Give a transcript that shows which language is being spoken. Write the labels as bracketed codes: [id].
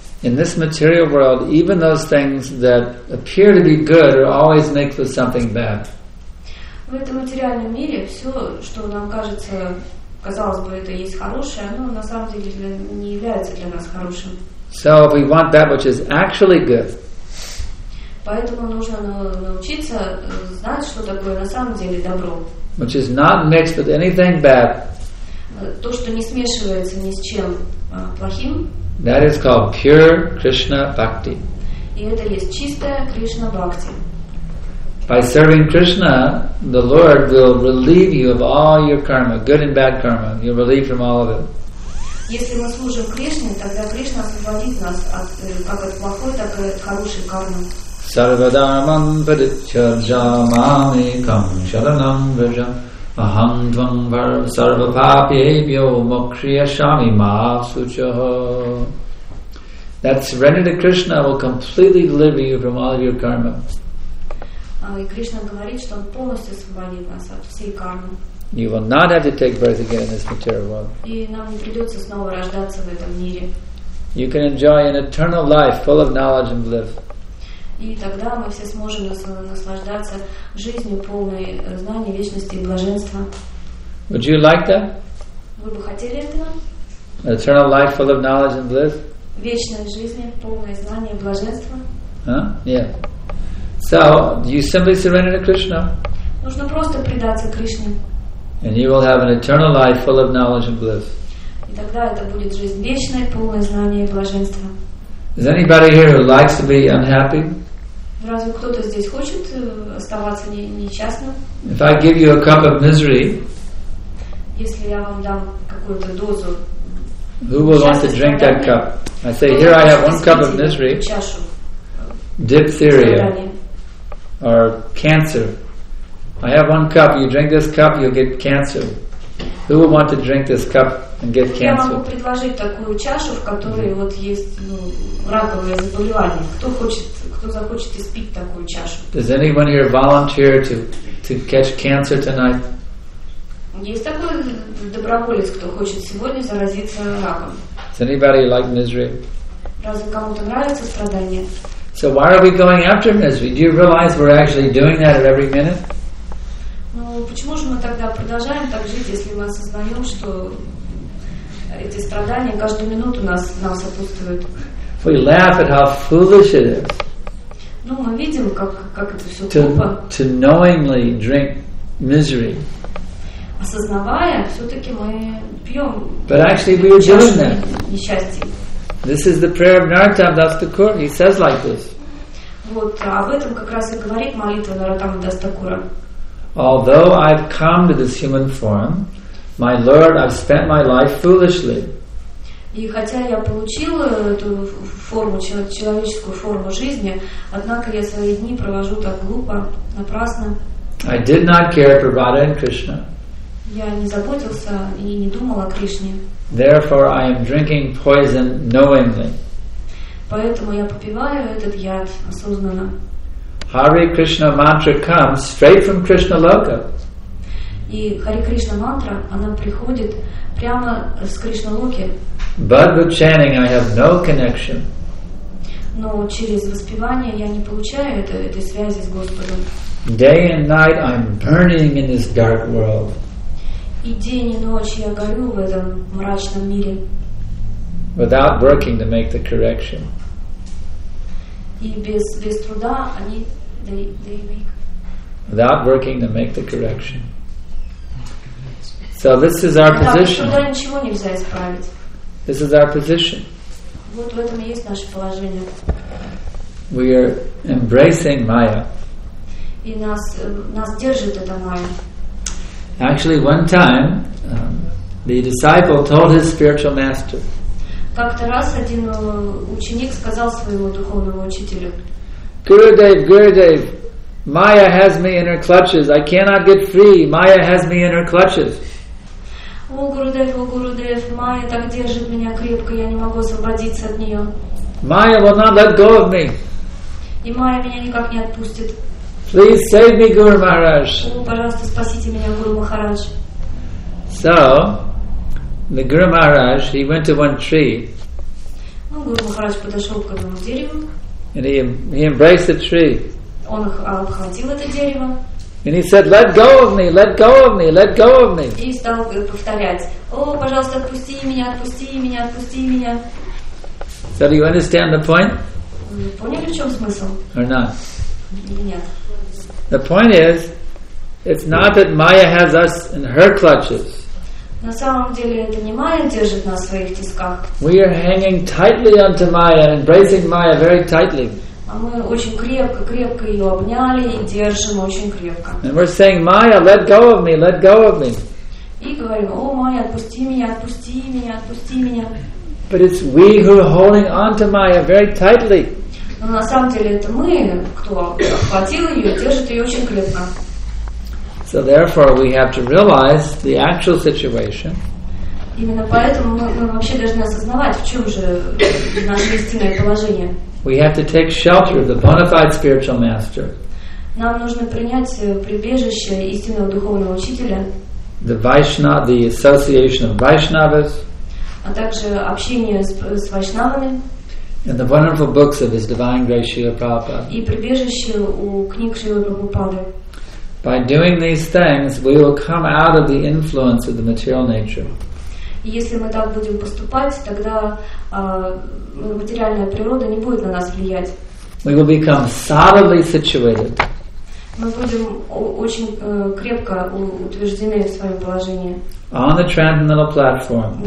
[en] In this material world, even those things that appear to be good are always mixed with something bad. [ru] В этом материальном мире все, что нам кажется, казалось бы, это есть хорошее, но на самом деле не является для нас хорошим. [en] So if we want that which is actually good. [ru] Поэтому нужно научиться знать, что такое на самом деле добро. [en] Which is not mixed with anything bad. [ru] То, что не смешивается ни с чем плохим. [en] That is called pure Krishna bhakti. [ru] И это есть чистая Кришна бхакти. [en] By serving Krishna, the Lord will relieve you of all your karma, good and bad karma. You'll relieve from all of it. [ru] Если мы служим Кришне, тогда Кришна освободит нас как от плохой, так и от хорошей кармы. [sa] Sarvadharmam padichyajamami kam sharanam vrajam aham tvam sarvapapyebhyo mokshyashami ma suchah. [en] That surrender to Krishna will completely deliver you from all of your karma. [ru] И Кришна говорит, что Он полностью освободит нас от всей кармы. [en] You will not have to take birth again in this material world. [ru] И нам не придется снова рождаться в этом мире. [en] You can enjoy an eternal life full of knowledge and bliss. [ru] И тогда мы все сможем наслаждаться жизнью полной знаний, вечности и блаженства. [en] Would you like that? [ru] Вы бы хотели этого? [en] An eternal life full of knowledge and bliss? [ru] Вечная жизнь, полное знание и блаженство? [en] Huh? Yeah. So you simply surrender to Krishna. [ru] Нужно просто предаться Кришне. [en] And you will have an eternal life full of knowledge and bliss. [ru] И тогда это будет жизнь вечная, полная знания и блаженства. [en] Is anybody here who likes to be unhappy? [ru] Разве кто-то здесь хочет оставаться несчастным? [en] If I give you a cup of misery, [ru] если я вам дам какую-то дозу, [en] who will want to drink that cup? I say, here I have one cup of misery. [ru] Чашу. [en] Diphtheria or cancer. I have one cup. You drink this cup, you'll get cancer. Who would want to drink this cup and get cancer? [ru] Я могу предложить такую чашу, в которой вот есть раковое заболевание. Кто захочет испить такую чашу? [en] Does anyone here volunteer to catch cancer tonight? [ru] Есть такой доброволец, кто хочет сегодня заразиться раком? [en] Does anybody like misery? [ru] Разве кому-то нравится страдание? [en] So why are we going after misery? Do you realize we're actually doing that at every minute? [ru] Ну почему же мы тогда продолжаем так жить, если мы осознаем, что эти страдания каждую минуту нам сопутствуют? [en] We laugh at how foolish it is. [ru] Ну мы видим, как это все глупо. [en] To knowingly drink misery. [ru] Осознавая, все-таки мы пьем. [en] But actually, we are doing that. [ru] Несчастье. [en] This is the prayer of Narottam Das Thakur. He says like this. [ru] Вот об этом как раз и говорит молитва Нараттама Дас Такура. [en] Although I've come to this human form, my Lord, I've spent my life foolishly. [ru] И хотя я получила эту форму, человеческую форму жизни, однако я свои дни провожу так глупо, напрасно. [en] I did not care for Radha and Krishna. [ru] Я не заботился и не думал о Кришне. [en] Therefore, I am drinking poison knowingly. [ru] Поэтому я попиваю этот яд осознанно. [en] Hare Krishna mantra comes straight from Krishna Loka. [ru] И Hare Krishna mantra, она приходит прямо с Кришна Локи. [en] But with chanting, I have no connection. [ru] Но через воспевание я не получаю этой связи с Господом. [en] Day and night, I'm burning in this dark world. [ru] И день и ночь я горю в этом мрачном мире. [en] Without working to make the correction. [ru] И без труда они [en] they make. Without working to make the correction. So this is our position. [ru] Без труда ничего нельзя исправить. [en] This is our position. [ru] Вот в этом и есть наше положение. [en] We are embracing Maya. [ru] И нас держит эта Майя. [en] Actually, one time, the disciple told his spiritual master. [ru] Как-то раз один ученик сказал своему духовному учителю. [en] Gurudev, Gurudev, Maya has me in her clutches. I cannot get free. Maya has me in her clutches. [ru] О, Гурудев, Майя так держит меня крепко, я не могу освободиться от нее. [en] Майя will not let go of me. [ru] И Майя меня никак не отпустит. [en] Please save me, Guru Maharaj. [ru] О, пожалуйста, спасите меня, Гуру Махарадж. [en] So, the Guru Maharaj, he went to one tree. [ru] Ну, Гуру Махарадж подошел к одному дереву. [en] And he embraced the tree. [ru] Он обхватил это дерево. [en] And he said, "Let go of me! Let go of me! Let go of me!" [ru] И стал повторять: "О, пожалуйста, отпусти меня, отпусти меня, отпусти меня." [en] So do you understand the point? [ru] Поняли, в чем смысл? [en] Or not? [ru] Нет. [en] The point is, it's not that Maya has us in her clutches. [ru] На самом деле, это не Майя держит нас в своих тисках. [en] We are hanging tightly onto Maya, embracing Maya very tightly. [ru] А мы очень крепко ее обняли и держим очень крепко. [en] And we're saying, Maya, let go of me, let go of me. [ru] И говорим: о, Майя, отпусти меня, отпусти меня, отпусти меня. [en] But it's we who are holding on to Maya very tightly. [ru] Но на самом деле это мы, кто обхватил ее, держит ее очень крепко. [en] So therefore we have to realize the actual situation. [ru] Именно поэтому мы вообще должны осознавать, в чем же наше истинное положение. [en] We have to take shelter of the bona fide spiritual master. [ru] Нам нужно принять прибежище истинного духовного учителя. [en] The Vaishnava, the association of Vaishnavas. [ru] А также общение с Вайшнавами. [en] And the wonderful books of His Divine Grace Śrīla Prabhupāda. [ru] И прибежище у книг Шрилы Прабхупады. [en] By doing these things, we will come out of the influence of the material nature. [ru] Если мы так будем поступать, тогда материальная природа не будет на нас влиять. [en] We will become solidly situated. [ru] Мы будем очень крепко утверждены в своем положении. [en] On the transcendental platform.